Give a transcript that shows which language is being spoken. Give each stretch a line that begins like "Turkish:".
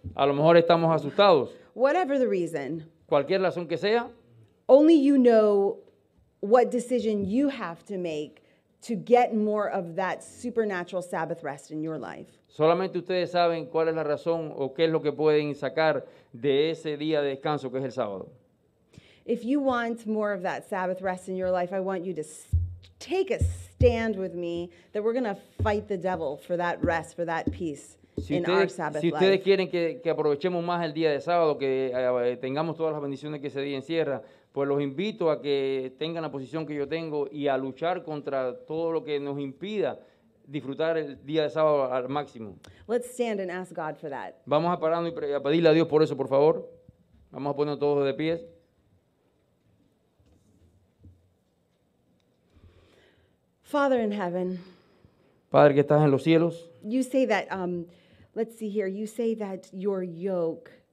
Spanish: A lo mejor estamos asustados.
English: Whatever the reason.
Spanish: Cualquier razón que sea.
English: Only you know what decision you have to make to get more of that supernatural Sabbath rest in your life.
Spanish: Solamente ustedes saben cuál es la razón o qué es lo que pueden sacar de ese día de descanso que es el sábado.
English: If you want more of that Sabbath rest in your life, I want you to take a stand with me that we're going to fight the devil for that rest, for that peace. si ustedes, our Sabbath life. Si ustedes life.
Spanish: Quieren que aprovechemos más el día de sábado, que tengamos todas las bendiciones que ese día encierra, pues los invito a que tengan la posición que yo tengo y a luchar contra todo lo que nos impida disfrutar el día de sábado al máximo.
English: Let's stand and ask God for that.
Spanish: Vamos a pararnos y a pedirle a Dios por eso, por favor. Vamos a poner todos de pie.
English: Father in heaven.
Spanish: Padre que estás en los cielos.
English: You say that, let's see here, you say that your yoke.